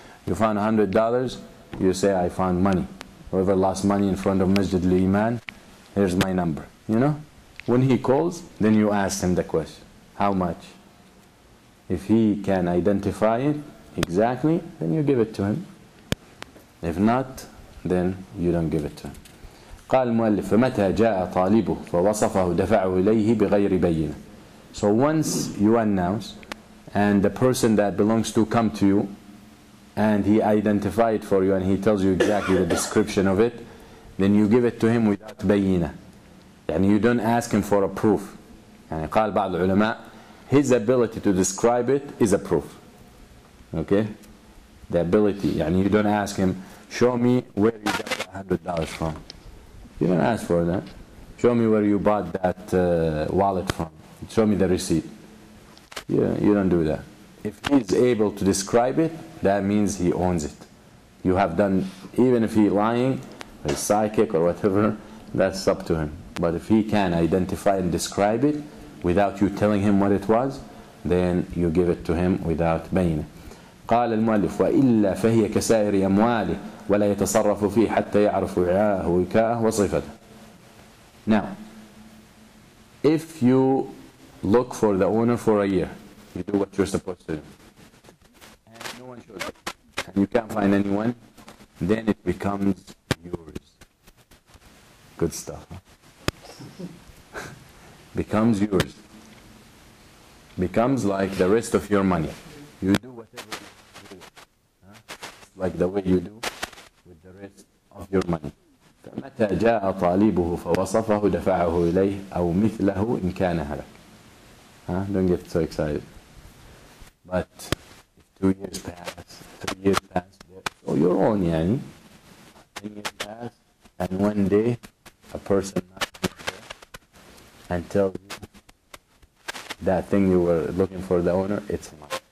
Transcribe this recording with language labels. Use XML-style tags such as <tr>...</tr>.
<en>You found $100, you say, I found money. Whoever lost money in front of Masjid al-Iman, here's my number, you know? When he calls, then you ask him the question, how much? If he can identify it exactly, then you give it to him. If not, then you don't give it to him.</en> <ar>قال المؤلف فمتى جاء طالبه فوصفه دفعه إليه بغير بينة.</ar> <en>So once you announce, and the person that belongs to come to you, and he identify it for you, and he tells you exactly the description of it, then you give it to him without بينة. And you don't ask him for a proof. يعني</en> <ar>قال بعض العلماء</ar> <en>his ability to describe it is a proof. Okay? The ability. يعني you don't ask him, show me where you got $100 from. You don't ask for that. Show me where you bought that wallet from. Show me the receipt. You don't do that. If he's able to describe it, that means he owns it. You have done, even if he's lying, or he's psychic or whatever, that's up to him. But if he can identify and describe it, without you telling him what it was, then you give it to him without بينه.</en> <ar>قال المؤلف وإلا فهي كسائر أمواله ولا يتصرف فيه حتى يعرف وعاءه وكاءه وصفته.</ar> <en>Now, if you look for the owner for a year, you do what you're supposed to do, and no one shows up, and you can't find anyone, then it becomes yours. Good stuff. Becomes yours. becomes like the rest of your money. You do whatever you do, like the way you do with the rest of your money.</en> <ar>فمتى جاء طالبه فوصفه دفعه إليه أو مثله إن كان هلك.</ar> <en>Don't get so excited. But if 2 years pass, 3 years pass, so your own, يعني. 10 years pass, and one day a person and tell you that thing you were looking for, the owner, it's mine.</en>